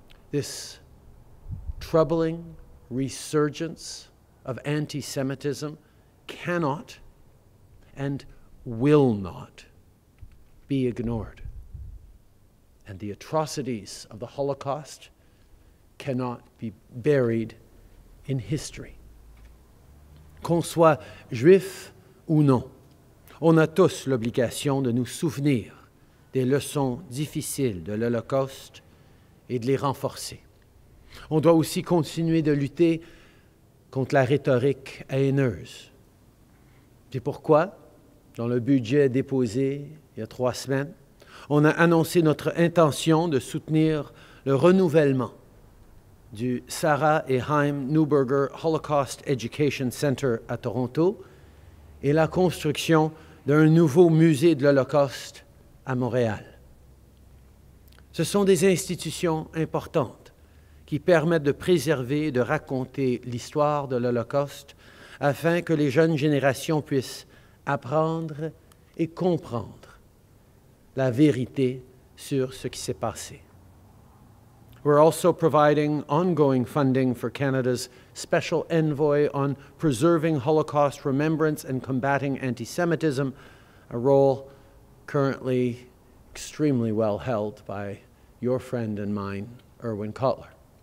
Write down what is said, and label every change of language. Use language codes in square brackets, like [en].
[en] This troubling resurgence of anti-Semitism cannot and will not be ignored. And the atrocities of the Holocaust cannot be buried in history. [fr] Qu'on soit juif ou non, on a tous l'obligation de nous souvenir des leçons difficiles de l'Holocauste et de les renforcer. On doit aussi continuer de lutter contre la rhétorique haineuse. C'est pourquoi, dans le budget déposé il y a 3 semaines, on a annoncé notre intention de soutenir le renouvellement du Sarah et Haim Neuberger Holocaust Education Center à Toronto et la construction d'un nouveau musée de l'Holocauste à Montréal. Ce sont des institutions importantes qui permettent de préserver et de raconter l'histoire de l'Holocauste afin que les jeunes générations puissent apprendre et comprendre la vérité sur ce qui s'est passé. [en] We're also providing ongoing funding for Canada's Special Envoy on Preserving Holocaust Remembrance and Combating Anti-Semitism, a role currently extremely well held by your friend and mine, Erwin Kotler.